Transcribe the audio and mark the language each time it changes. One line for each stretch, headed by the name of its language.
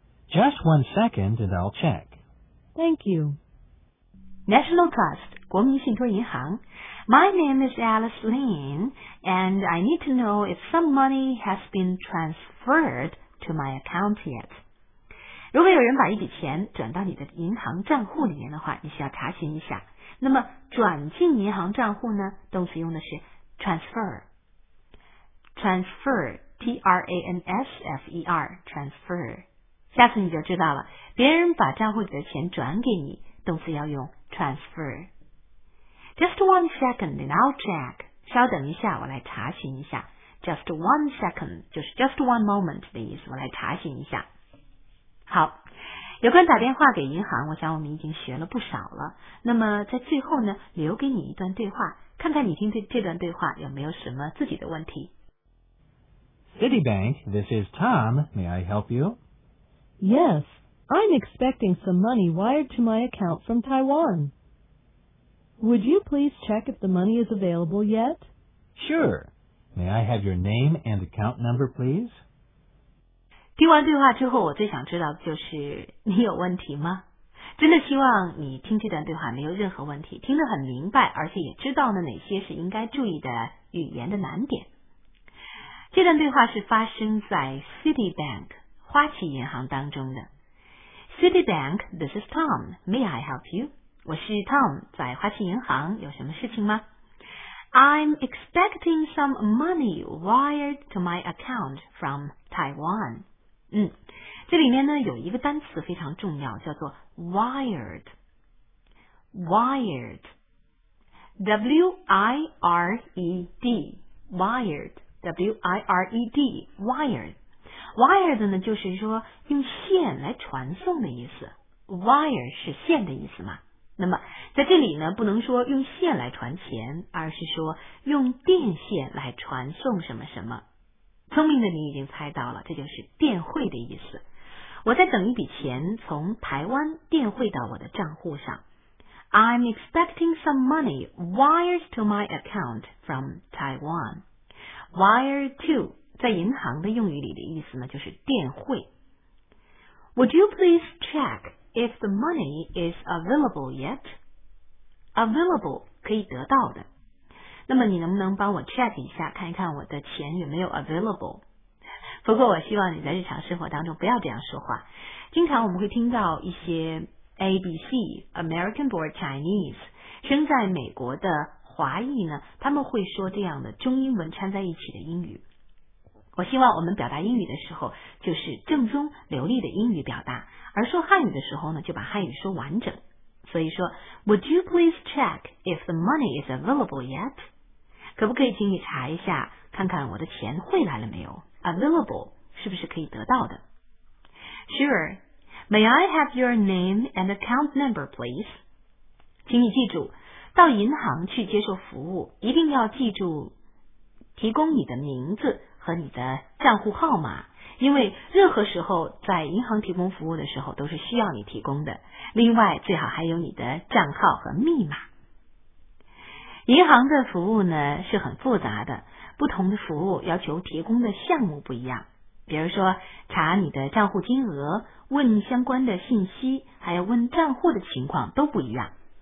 English: Just one second and I'll check. Thank you.
Chinese: National Trust, 国民信托银行。
English: My name is Alice Lin, and I need to know if some money has been transferred to my account yet.
Chinese: 如果有人把一笔钱转到你的银行账户里面的话，你需要查询一下。那么转进银行账户呢，动词用的是 transfer, T-R-A-N-S-F-E-R, transfer。下次你就知道了，别人把账户里的钱转给你，动词要用 transfer。
English: Just one second and I'll check，
Chinese: 稍等一下，我来查询一下。
English: Just one second
Chinese: 就是
English: just one moment
Chinese: 的意思，我来查询一下。好，有关打电话给银行，我想我们已经学了不少了。那么在最后呢，留给你一段对话，看看你听 这段对话有没有什么自己的问题。
English: Citibank, this is Tom, may I help you? Yes, I'm expecting some money wired to my account from Taiwan. Would you please check if the money is available yet? Sure. May I have your name and account number, please?
Chinese: 听完对话之后，我最想知道的就是你有问题吗？真的希望你听这段对话没有任何问题，听得很明白，而且也知道了哪些是应该注意的语言的难点。这段对话是发生在 Citibank。花旗银行当中的
English: Citibank, this is Tom, may I help you?
Chinese: 我是 Tom, 在花旗银行有什么事情吗？
English: I'm expecting some money wired to my account from Taiwan.
Chinese: 这里面呢有一个单词非常重要，叫做 wired, W-I-R-E-D, wired. Wired 呢就是说用线来传送的意思。 Wire 是线的意思嘛。那么在这里呢不能说用线来传钱，而是说用电线来传送什么什么。聪明的你已经猜到了，这就是电汇的意思。我在等一笔钱从台湾电汇到我的账户上。
English: I'm expecting some money wired to my account from Taiwan. Wire to...
Chinese: 在银行的用语里的意思呢，就是电汇。
English: Would you please check if the money is available yet?
Chinese: Available 可以得到的。那么你能不能帮我 check 一下，看一看我的钱有没有 available? 不过我希望你在日常生活当中不要这样说话。经常我们会听到一些 ABC,
English: American Born Chinese,
Chinese: 生在美国的华裔呢，他们会说这样的中英文掺在一起的英语。我希望我们表达英语的时候就是正宗流利的英语表达，而说汉语的时候呢就把汉语说完整。
English: 所以说 Would you please check if the money is available yet?
Chinese: 可不可以请你查一下，看看我的钱汇来了没有？ Available 是不是可以得到的？
English: Sure, may I have your name and account number please?
Chinese: 请你记住，到银行去接受服务一定要记住提供你的名字和你的账户号码，因为任何时候在银行提供服务的时候都是需要你提供的。另外最好还有你的账号和密码。银行的服务呢是很复杂的，不同的服务要求提供的项目不一样，比如说查你的账户金额，问相关的信息，还有问账户的情况都不一样。